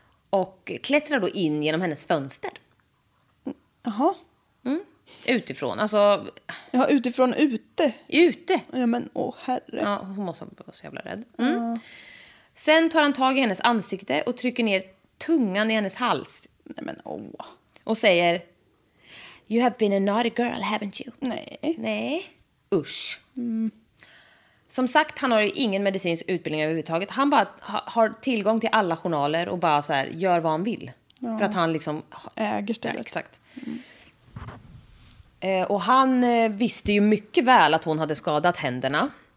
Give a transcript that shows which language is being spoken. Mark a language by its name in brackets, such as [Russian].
[Swedish] Och klättrar då in genom hennes fönster. Jaha. Mm. Utifrån, alltså... Ja, utifrån ute. Ute. Ja, men åh herre. Ja, hon måste vara så jävla rädd. Mm. Ja. Sen tar han tag i hennes ansikte och trycker ner tungan i hennes hals. Nej, men åh. Och säger, [English] you have been a naughty girl, haven't you? [Swedish] Nej. Nej. Usch. Mm. Som sagt, han har ju ingen medicinsk utbildning överhuvudtaget. Han bara har tillgång till alla journaler och bara så här, gör vad han vill. Ja. För att han liksom... Äger stället. Ja, exakt. Mm. Och han visste ju mycket väl att hon hade skadat händerna.